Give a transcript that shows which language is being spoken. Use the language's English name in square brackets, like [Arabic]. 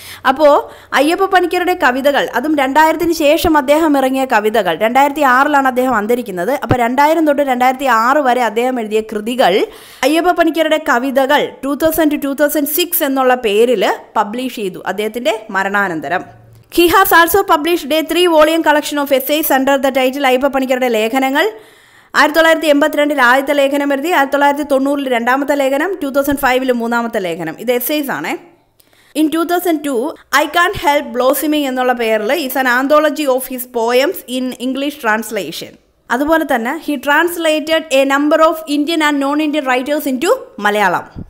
[Malayalam] അപ്പോൾ അയ്യപ്പ പണിക്കരുടെ കവിതകൾ, അതും 2000 ശേഷം അദ്ദേഹം ഇറങ്ങിയ കവിതകൾ, 2006 അദ്ദേഹം അന്തരിക്കുന്നത്. അപ്പോൾ 2000 to 2006 വരെ അദ്ദേഹം എഴുതിയ കൃതികൾ, അയ്യപ്പ പണിക്കരുടെ കവിതകൾ 2000 to 2006 എന്നുള്ള പേരിൽ പബ്ലിഷ് ചെയ്തു അദ്ദേഹത്തിന്റെ മരണാനന്തരം. [English] He has also published a 3-volume collection of essays under the title Ayyappa Panikkarude Lekhanangal. [Malayalam] 1982 ആദ്യത്തെ ലേഖനം എഴുതി, 1990 രണ്ടാമത്തെ ലേഖനം, 2005 മൂന്നാമത്തെ ലേഖനം. ഇത് എസ്സേസ് ആണ്. [English] in 2002 I can help blossoming [Malayalam] എന്നുള്ള പേരിൽ [English] Is an anthology of his poems in English translation. [Malayalam] അതുപോലെ തന്നെ [English] He translated a number of Indian and non Indian writers into Malayalam.